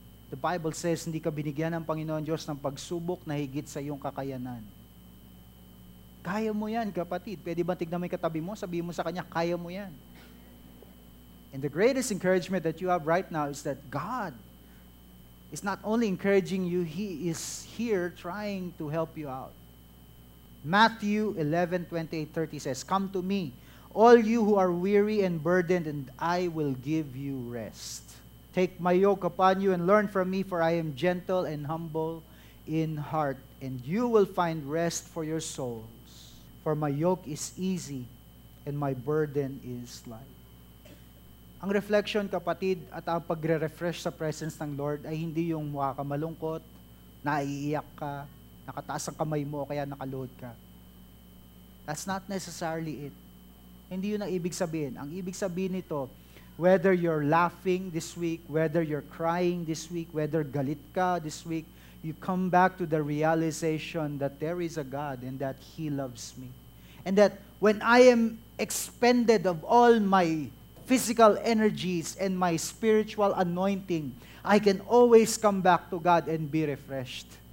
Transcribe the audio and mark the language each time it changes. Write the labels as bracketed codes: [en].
[en] The Bible says, [tl] hindi ka binigyan ng Panginoon Diyos ng pagsubok na higit sa iyong kakayanan. Kaya mo yan, kapatid. Pwede ba tignan mo yung katabi mo? Sabi mo sa kanya, kaya mo yan. [en] And the greatest encouragement that you have right now is that God is not only encouraging you, He is here trying to help you out. Matthew 11, 28-30 says, come to me, all you who are weary and burdened, and I will give you rest. Take my yoke upon you and learn from me, for I am gentle and humble in heart, and you will find rest for your souls. For my yoke is easy and my burden is light. [tl] Ang reflection, kapatid, at ang pagre-refresh sa presence ng Lord ay hindi yung mukha ka malungkot, naiiyak ka, nakataas ang kamay mo, kaya nakaload ka. [en] That's not necessarily it. [tl] Hindi yun ang ibig sabihin. Ang ibig sabihin nito, [en] whether you're laughing this week, whether you're crying this week, whether [tl] galit ka [en] this week, you come back to the realization that there is a God and that He loves me. And that when I am expended of all my physical energies and my spiritual anointing, I can always come back to God and be refreshed.